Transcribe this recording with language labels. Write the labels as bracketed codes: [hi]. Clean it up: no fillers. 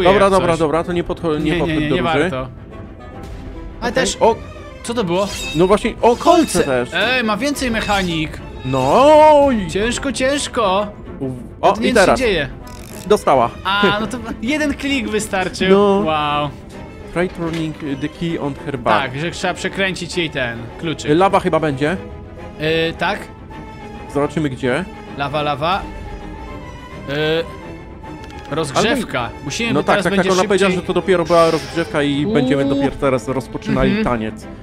[pl] Dobra, to nie podchodzi. Nie warto. Ale okay. Też. O! Co to było? No właśnie. O, kolce też! Ma więcej mechanik! No! Ciężko! O, to nie i teraz. Się dzieje. Dostała. No to jeden klik wystarczył. No. Wow. [en] Try turning the key on her back. [pl] Tak, że trzeba przekręcić jej ten kluczyk. Lawa chyba będzie. Tak. Zobaczymy gdzie. Lawa. Rozgrzewka. Musimy no teraz tak, będzie tak, ona szybciej... powiedziała, że to dopiero była rozgrzewka i będziemy dopiero teraz rozpoczynali taniec.